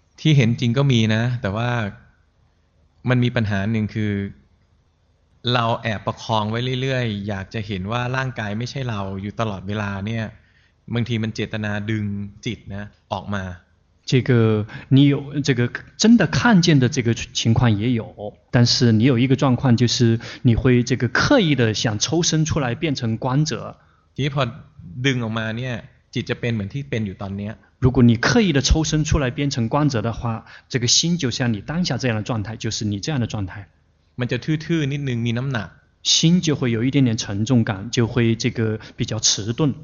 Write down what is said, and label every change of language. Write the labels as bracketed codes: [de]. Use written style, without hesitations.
[th] ที่เห็นจริงก็มีนะแต่ว่ามันมีปัญหาหนึ่งคือเราแอบประคองไว้เรื่อยๆอยากจะเห็นว่าร่างกายไม่ใช่เราอยู่ตลอดเวลาเนี่ยบางทีมันเจตนาดึงจิตนะออกมา [zh] 这个你有这个真的看见的这个情况也有但是你有一个状况就是你会这个刻意的想抽身出来变成观者 [th] ทีพอดึงออกมาเนี่ยจิตจะเป็นเหมือนที่เป็นอยู่ตอนเนี้ย [zh] 如果你刻意的抽身出来变成观者的话这个心就像你当下这样的状态就是你这样的状态 [th] มันจะทื่อๆนิดนึงมีน้ำหนัก [zh] 心就会有一点点沉重感就会这个比较迟钝